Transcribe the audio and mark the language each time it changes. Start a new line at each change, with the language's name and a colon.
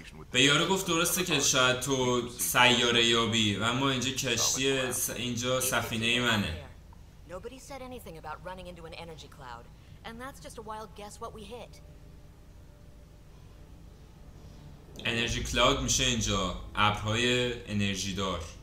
Persian: به یارو گفت درسته که شاید تو سیاره یابی، اما اینجا کشتی اینجا سفینه منه.
English: Nobody said anything about running into an energy cloud, and that's just a wild guess what we hit.
Persian: انرژی کلاود میشه اینجا ابرهای انرژی دار.